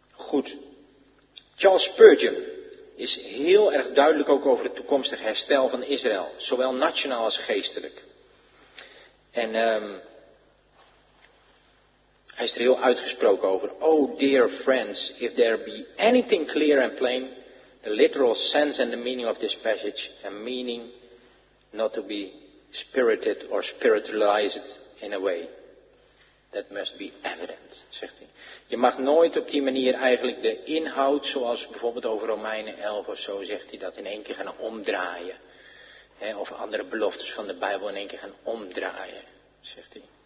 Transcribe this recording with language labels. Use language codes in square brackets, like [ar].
[nl] Goed. Charles Spurgeon is heel erg duidelijk ook over het toekomstig herstel van Israël, zowel nationaal als geestelijk. En hij is er heel uitgesproken over. [en] Oh dear friends, if there be anything clear and plain, the literal sense and the meaning of this passage, a meaning not to be spirited or spiritualized in a way. That must be evident, [nl] zegt hij. Je mag nooit op die manier eigenlijk de inhoud, zoals bijvoorbeeld over Romeinen 11 of zo, zegt hij, dat in één keer gaan omdraaien. Of andere beloftes van de Bijbel in één keer gaan omdraaien, zegt hij.